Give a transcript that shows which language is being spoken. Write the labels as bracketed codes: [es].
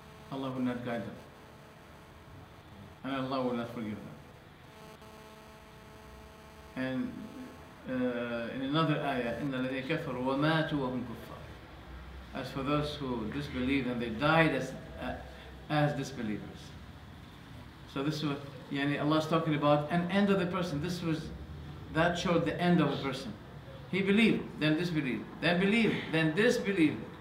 [en] Allah will not guide them. And Allah will not forgive them. And in another ayah, [ar] إِنَّ الَّذِينَ كَفَرُوا وَمَاتُوا وَهُمْ كُفَّارٌ. [en] As for those who disbelieved and they died as disbelievers. So this is what yani Allah is talking about, an end of the person. This was, that showed the end of a person. He believed, then disbelieved, then believed, then disbelieved.